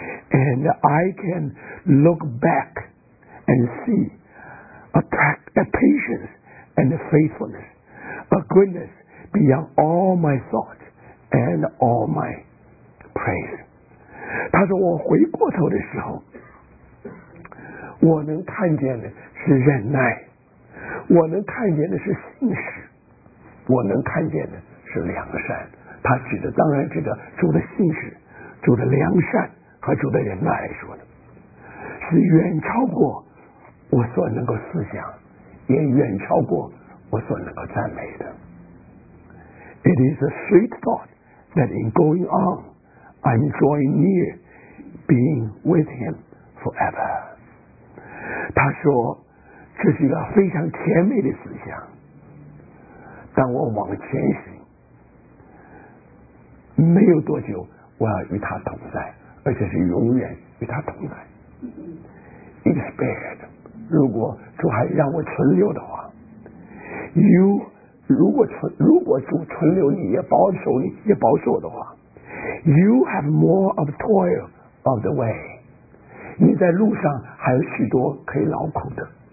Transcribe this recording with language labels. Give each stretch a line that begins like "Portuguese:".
English: And I can look back and see a patience and a faithfulness, a goodness beyond all my thought and all my praise。
Chinese: 他说我回过头的时候，我能看见的是忍耐，我能看见的是信实，我能看见的是良善。他指的当然指的主的信实、主的良善和主的忍耐来说的，是远超过我所能够思想，也远超过我所能够赞美的。
English: It is a sweet thought that in going on I'm drawing near being with him forever。
Chinese: 他说这是一个非常甜美的思想，当我往前行没有多久，我要与他同在，而且是永远与他同在。
English: Expired，
Chinese: 如果主还让我存留的话 ，
English: You，
Chinese: 如果主存留你，也保守你，也保守我的话 ，
English: You have more of toil of the way，
Chinese: 你在路上还有许多可以劳苦的。